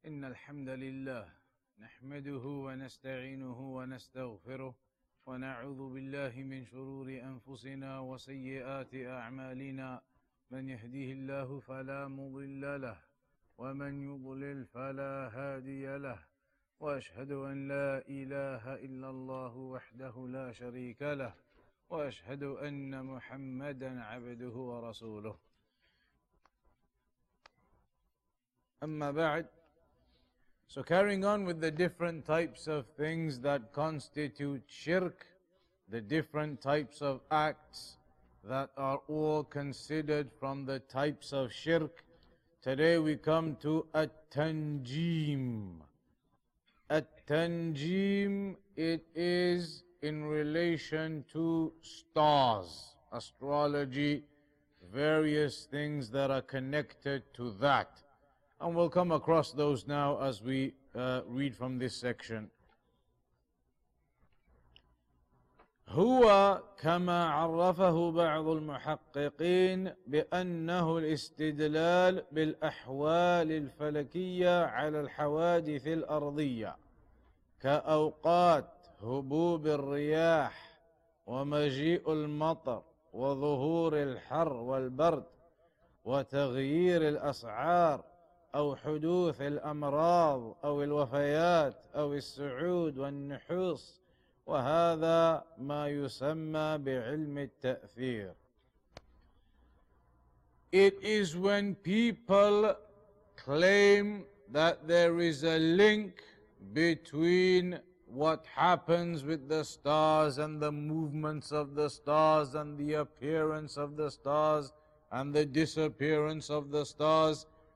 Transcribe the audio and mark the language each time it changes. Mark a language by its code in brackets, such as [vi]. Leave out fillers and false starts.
[ar] الحمد لله نحمده ونستعينه ونستغفره ونعوذ بالله من شرور أنفسنا وسيئات أعمالنا، من يهديه الله فلا مضل له ومن يضلل فلا هادي له، وأشهد أن لا إله إلا الله وحده لا شريك له، وأشهد أن محمدا عبده ورسوله. أما بعد، [en] so carrying on with the different types of things that constitute shirk, the different types of acts that are all considered from the types of shirk, today we come to at-tanjim. At-tanjim, it is in relation to stars, astrology, various things that are connected to that. And we'll come across those now as we read from this section. [ar] هو كما عرفه بعض المحققين بأنه الاستدلال بالأحوال الفلكية على الحوادث الأرضية كأوقات هبوب الرياح ومجيء المطر وظهور الحر والبرد وتغيير الأسعار أو حدوث الأمراض أو الوفيات أو السعود والنحوص، وهذا ما يسمى بعلم التأثير. [en] It is when people claim that there is a link between what happens with the stars and the movements of the stars and the appearance of the stars and the disappearance of the stars.